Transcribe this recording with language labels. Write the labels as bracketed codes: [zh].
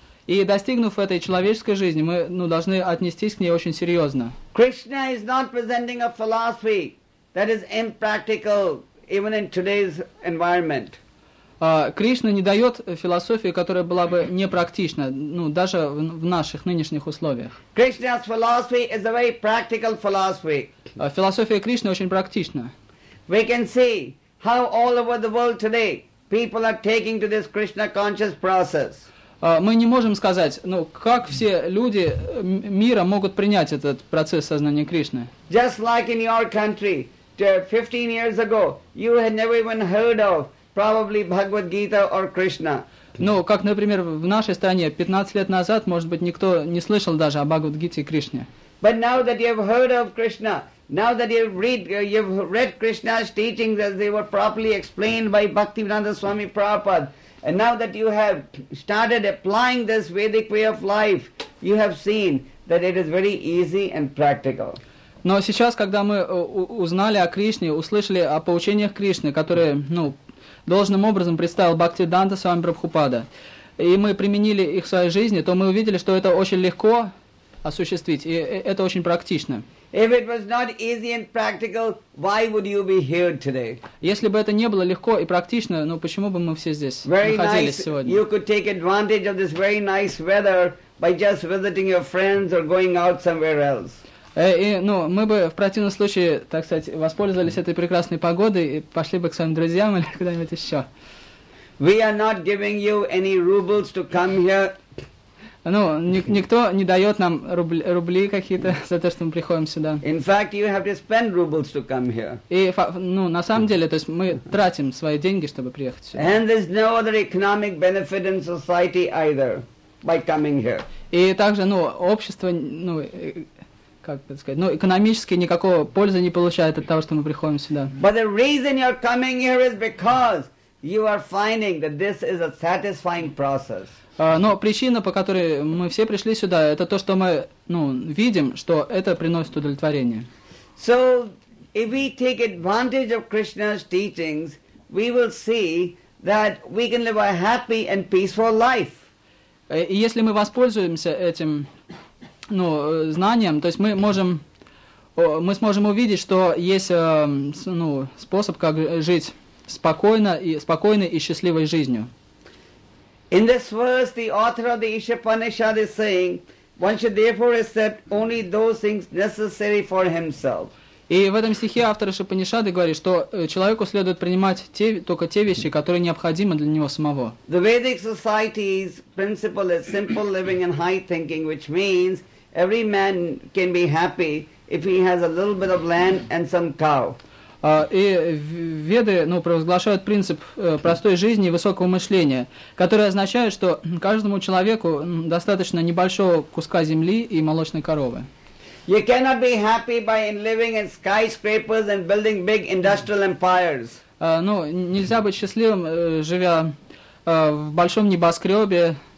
[ru] И достигнув этой человеческой жизни, мы, ну, должны отнестись к ней очень серьезно. [en] Krishna is not presenting a philosophy that is impractical even in today's environment. [ru] Кришна не дает философии, которая была бы непрактична, ну, даже в наших нынешних условиях. [en] Krishna's philosophy is a very practical philosophy. [ru] Философия Кришны очень практична. [en] We can see how all over the world today people are taking to this Krishna conscious process. [ru] мы не можем сказать, ну, как все люди мира могут принять этот процесс сознания Кришны. [en] Just like in your country, 15 years ago, you had never even heard of probably Bhagavad Gita or Krishna. [ru] Ну, как, например, в нашей стране 15 лет назад, может быть, никто не слышал даже о Бхагавад-гите и Кришне. [en] But now that you have heard of Krishna, now that you've read Krishna's teachings as they were properly explained by Bhaktivedanta Swami Prabhupada, and now that you have started applying this Vedic way of life, you have seen that it is very easy and practical. [ru] Но сейчас, когда мы узнали о Кришне, услышали о поучениях Кришны, которые, ну, должным образом представил Бхактиданта с вами Прабхупада, и мы применили их в своей жизни, то мы увидели, что это очень легко осуществить, и это очень практично. [en] If it was not easy and practical, why would you be here today? [ru] Если бы это не было легко и практично, ну почему бы мы все здесь [en] very [ru] находились [en] nice. [ru] Сегодня? [en] You could take advantage of this very nice weather by just visiting your friends or going out somewhere else. [ru] И, ну, мы бы в противном случае, так сказать, воспользовались этой прекрасной погодой и пошли бы к своим друзьям или куда-нибудь еще. [en] We are not giving you any rubles to come here. [ru] Ну, никто не дает нам рубли какие-то за то, что мы приходим сюда. [en] In fact, you have to spend rubles to come here. [ru] И, ну, на самом деле, то есть мы тратим свои деньги, чтобы приехать сюда. [en] And there's no other economic benefit in society either by coming here. [ru] И также, ну, общество, ну, как это сказать, ну, экономически никакого пользы не получает от того, что мы приходим сюда. [en] But the reason you're coming here is because you are finding that this is a satisfying process. [ru] Но причина, по которой мы все пришли сюда, это то, что мы, ну, видим, что это приносит удовлетворение. [en] So, if we take advantage of Krishna's teachings, we will see that we can live a happy and peaceful life. [ru] И если мы воспользуемся этим, ну, знанием, то есть мы сможем увидеть, что есть, ну, способ, как жить спокойной и счастливой жизнью. [en] In this verse, the author of the Ishapanishad is saying, one should therefore accept only those things necessary for himself. [ru] И в этом стихе автор Ишапанишады говорит, что человеку следует принимать только те вещи, которые необходимы для него самого. [en] The Vedic society's principle is simple living and high thinking, which means every man can be happy if he has a little bit of land and some cow. [ru] И веды, ну, провозглашают принцип простой жизни и высокого мышления, который означает, что каждому человеку достаточно небольшого куска земли и молочной коровы. [en] You cannot be happy by living in skyscrapers and building big industrial empires. [ru] Ну, нельзя быть счастливым, живя в большом небоскребе.